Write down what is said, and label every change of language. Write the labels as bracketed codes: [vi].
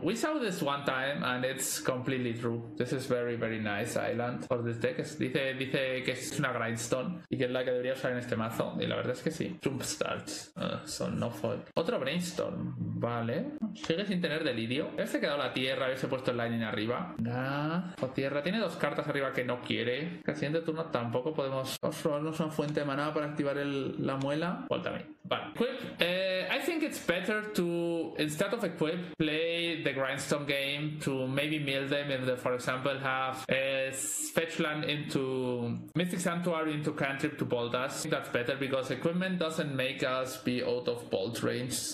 [en] We saw this one time and it's completely true. This is very, very nice island for this deck. [es] Dice que es una Grindstone y que es la que debería usar en este mazo. Y la verdad es que sí. [en] Jump start. So no foil. [es] Otro Brainstorm. Vale. Sigue sin tener delirio. Haberse quedado la tierra, haberse puesto el Lightning arriba. Ah, o tierra. Tiene 2 cartas arriba que no quiere. Que al siguiente turno tampoco podemos... ¿Os robarnos una fuente de maná para activar la muela? Vuelta a mí. Vale. Equip. [en] I think it's better to, instead of equip, play the grindstone game to maybe mill them if they, for example, have fetch land into Mystic Sanctuary into cantrip to bolt us. I think that's better because equipment doesn't make us be out of bolt range.